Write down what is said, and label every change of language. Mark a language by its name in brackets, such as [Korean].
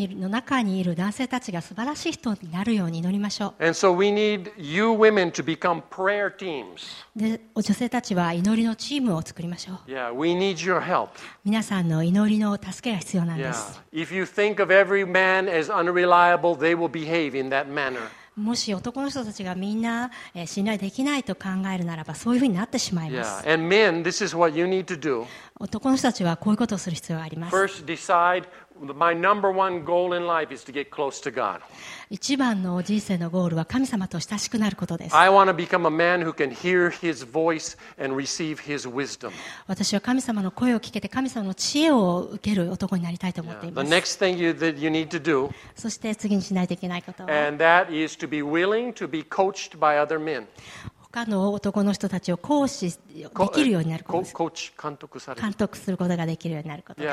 [Japanese] の中にいる男性たちが素晴らしい人になるように祈りましょう。 [English] And so we need you women to become prayer teams. [Japanese] で、女性たちは祈りのチームを作りましょう。 [English] Yeah, we need your help. [Japanese] 皆さんの祈りの助けが必要なんです。 [English] Yeah. If you think of every man as unreliable, they will behave in that manner. [Japanese] もし男の人たちがみんな信頼できないと考えるならばそういうふうになってしまいます。 [English] Yeah. And men, this is what you need to do. [Japanese] 男の人たちはこういうことをする必要があります。 [English] First, decide my number one goal in life is to get close to God. [Japanese] 一番の人生のゴールは神様と親しくなることです。 [English] I want to become a man who can hear His voice and receive His wisdom. [Japanese] 私は神様の声を聞けて神様の知恵を受ける男になりたいと思っています。 [English] The next thing that you need to do. [Japanese] そして次にしないといけないことは。 [English] And that is to be willing to be coached by other men. [Japanese] 他の男の人たちを講師できるようになることです。コーチ、監督される。監督することができるようになることです。